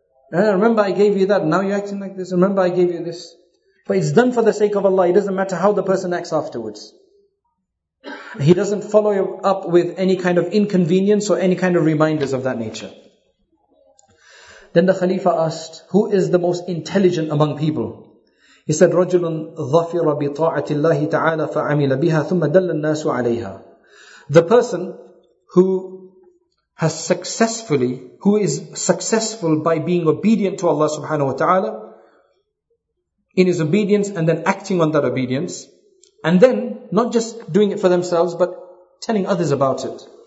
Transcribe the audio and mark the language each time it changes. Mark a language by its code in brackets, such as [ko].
[en] Remember I gave you that, now you're acting like this, remember I gave you this. But it's done for the sake of Allah, it doesn't matter how the person acts afterwards. He doesn't follow up with any kind of inconvenience or any kind of reminders of that nature. Then the Khalifa asked, who is the most intelligent among people? [ar] He said, رَجُلٌ ظَفِرَ بِطَاعَةِ اللَّهِ تَعَالَى فَعَمِلَ بِهَا ثُمَّ دَلَّ النَّاسُ عَلَيْهَا. [en] The person who has successfully, who is successful by being obedient to Allah subhanahu wa ta'ala, in his obedience and then acting on that obedience, and then not just doing it for themselves, but telling others about it.